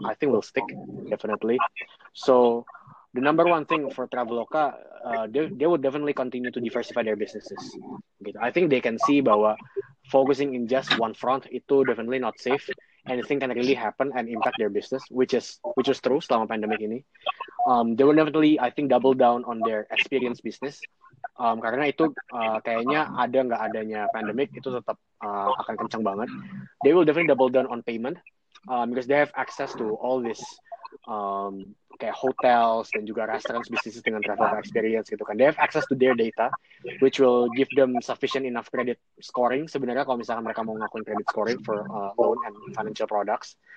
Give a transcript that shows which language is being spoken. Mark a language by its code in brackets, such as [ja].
[en] I think will stick definitely. So the number one thing for Traveloka, they would definitely continue to diversify their businesses. Gitu. I think they can see bahwa focusing in just one front itu definitely not safe. Anything can really happen and impact their business, which is true selama pandemic ini. They will definitely, I think, double down on their experience business. [id] Karena itu kayaknya ada nggak adanya pandemic itu tetap akan kencang banget. [en] They will definitely double down on payment because they have access to all this kayak hotels dan juga restaurants businesses dengan travel experience gitu kan. They have access to their data, which will give them sufficient enough credit scoring sebenarnya kalau misalkan mereka mau ngakuin credit scoring for loan and financial products.